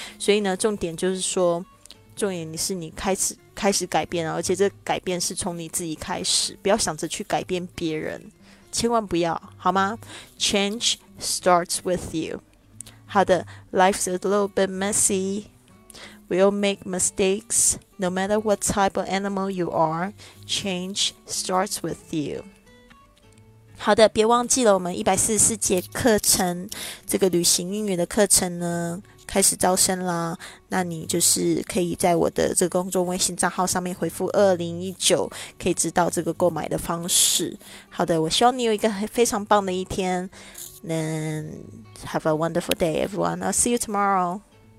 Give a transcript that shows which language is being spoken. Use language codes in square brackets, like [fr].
[zh] 所以呢，重点就是说，重点是你开始改变，而且这个改变是从你自己开始，不要想着去改变别人，千万不要，好吗？ [en] Change starts with you. 好的， Life's a little bit messy. We all make mistakes. No matter what type of animal you are, change starts with you. [zh] 好的，别忘记了我们144节课程，这个旅行英语的课程呢，开始招生啦。那你就是可以在我的这个公众微信账号上面回复2019，可以知道这个购买的方式。好的，我希望你有一个非常棒的一天。 [en] Then have a wonderful day, everyone. I'll see you tomorrow.